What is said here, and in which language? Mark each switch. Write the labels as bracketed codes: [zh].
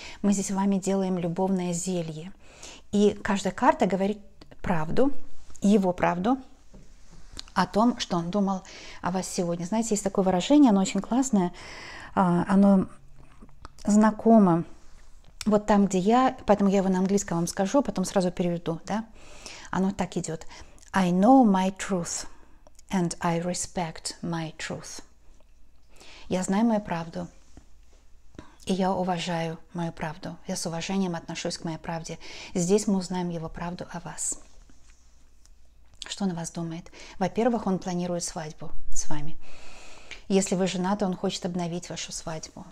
[ru] Мы здесь с вами делаем любовное зелье. И каждая карта говорит правду, его правду, о том, что он думал о вас сегодня. Знаете, есть такое выражение, оно очень классное, оно знакомо. Вот там, где я, поэтому я его на английском вам скажу, потом сразу переведу, да? Оно так идет. [en] I know my truth and I respect my truth. [ru] Я знаю мою правду, и я уважаю мою правду. Я с уважением отношусь к моей правде. Здесь мы узнаем его правду о вас. Что он о вас думает? Во-первых, он планирует свадьбу с вами. Если вы женаты, он хочет обновить вашу свадьбу.